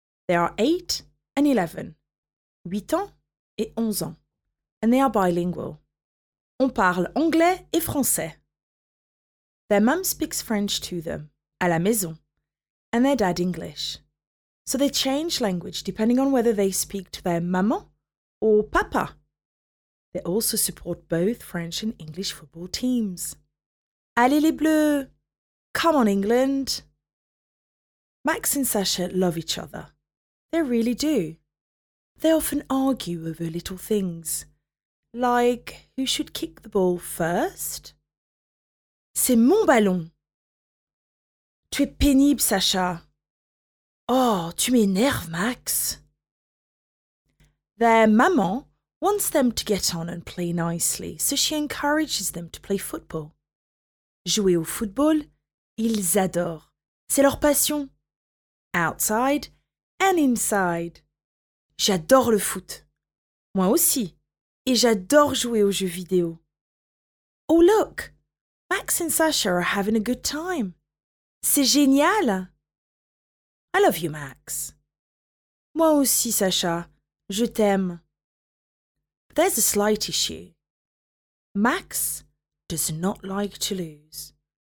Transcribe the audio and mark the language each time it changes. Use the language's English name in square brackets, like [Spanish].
[English] They are 8 and 11, [French] 8 ans et 11 ans, [English] and they are bilingual. [French] On parle anglais et français. [English] Their mum speaks French to them, [French] à la maison, [English] and their dad English. So they change language depending on whether they speak to their maman or papa. They also support both French and English football teams. [French] Allez les Bleus! [English] Come on, England! Max and Sasha love each other. They really do. They often argue over little things, like who should kick the ball first. [French] C'est mon ballon! Tu es pénible, Sasha! Oh, tu m'énerves, Max! [English] Their maman wants them to get on and play nicely, so she encourages them to play football. [French] Jouer au football, ils adorent. C'est leur passion. [English] Outside and inside. [French] J'adore le foot. Moi aussi. Et j'adore jouer aux jeux vidéo. [English] Oh look, Max and Sasha are having a good time. [French] C'est génial. [English] I love you, Max. [French] Moi aussi, Sasha. Je t'aime. [English] There's a slight issue. Max does not like to lose.